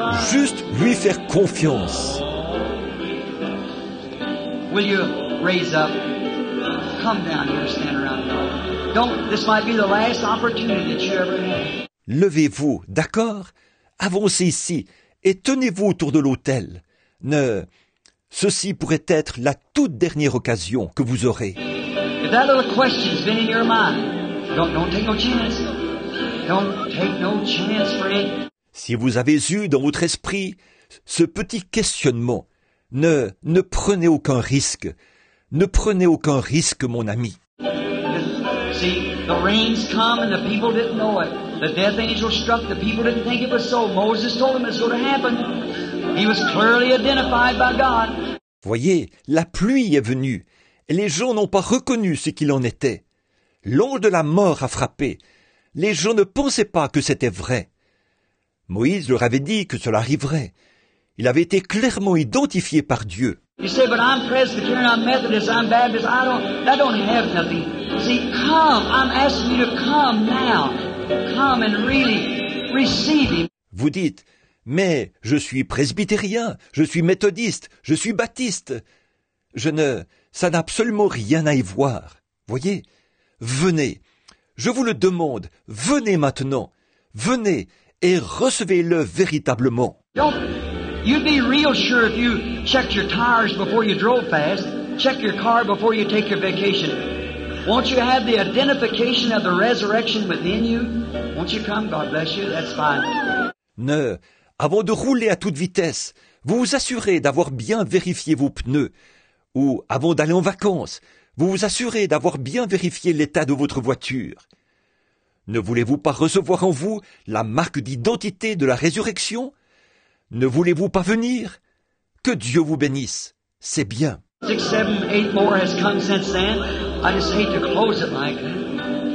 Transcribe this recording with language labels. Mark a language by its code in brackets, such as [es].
[fr] Juste lui faire confiance. [en] Will you raise up? Come down here, stand around. Don't, this might be the last opportunity that you ever have. [fr] Levez-vous, d'accord? Avancez ici et tenez-vous autour de l'autel. Ne, ceci pourrait être la toute dernière occasion que vous aurez. [en] If that little question has been in your mind, don't take no chance. Don't take no chance, friend. [fr] Si vous avez eu dans votre esprit ce petit questionnement, ne prenez aucun risque. Ne prenez aucun risque, mon ami. [en] See, the rains come and the people didn't know it. The death angel struck, the people didn't think it was so. Moses told them it's going to happen. He was clearly identified by God. [fr] Voyez, la pluie est venue. Et les gens n'ont pas reconnu ce qu'il en était. L'ange de la mort a frappé. Les gens ne pensaient pas que c'était vrai. Moïse leur avait dit que cela arriverait. Il avait été clairement identifié par Dieu. [en] You say, but I'm Presbyterian, I'm Methodist, I'm Baptist. I don't have nothing. See, come, I'm asking you to come now. Come and really receive him. [fr] Vous dites, mais je suis presbytérien, je suis méthodiste, je suis baptiste. Ça n'a absolument rien à y voir. Voyez, venez. Je vous le demande, venez maintenant. Venez et recevez-le véritablement. [en] You'd be real sure if you checked your tires before you drove fast, check your car before you take your vacation. Won't you have the identification of the resurrection within you? Won't you come? God bless you. That's fine. [fr] Ne, avant de rouler à toute vitesse, vous vous assurez d'avoir bien vérifié vos pneus. Ou avant d'aller en vacances, vous vous assurez d'avoir bien vérifié l'état de votre voiture. Ne voulez-vous pas recevoir en vous la marque d'identité de la résurrection? Ne voulez-vous pas venir? Que Dieu vous bénisse. C'est bien. [en] 6, 7, 8 more has come since then. I just hate to close it like that.